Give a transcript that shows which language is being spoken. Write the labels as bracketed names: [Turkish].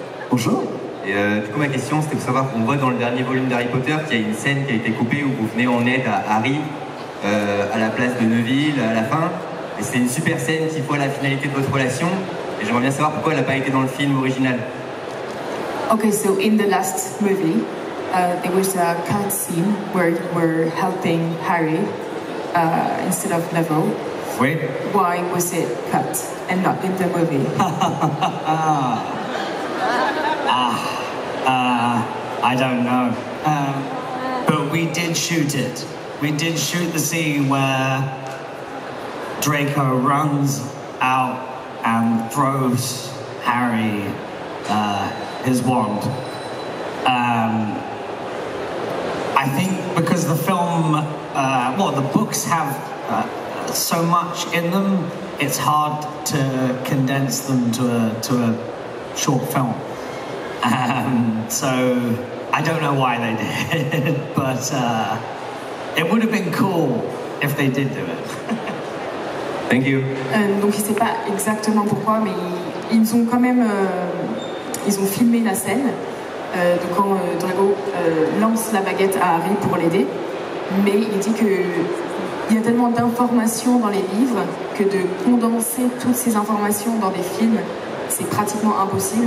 [French] Bonjour. Et du coup, ma question, c'était de savoir qu'on voit dans le dernier volume d'Harry Potter qu'il y a une scène qui a été coupée où vous venez en aide à Harry à la place de Neville à la fin. Et c'est une super scène qui voit la finalité de votre relation. Et j'aimerais bien savoir pourquoi elle n'a pas été dans le film original. [English] Ok, so in the last movie, there was a cut scene where you were helping Harry instead of Neville. [French] Oui. [English] Why was it cut and not in the movie? I don't know. But we did shoot it. We did shoot the scene where Draco runs out and throws Harry his wand. I think because the film, the books have so much in them, it's hard to condense them to a short film. So I don't know why they did, but it would have been cool if they did do it. Thank you. [French] Donc il sait pas exactement pourquoi, mais ils ont quand même ils ont filmé la scène de quand Drago lance la baguette à Harry pour l'aider, mais il dit que il y a tellement d'informations dans les livres que de condenser toutes ces informations dans des films, c'est pratiquement impossible.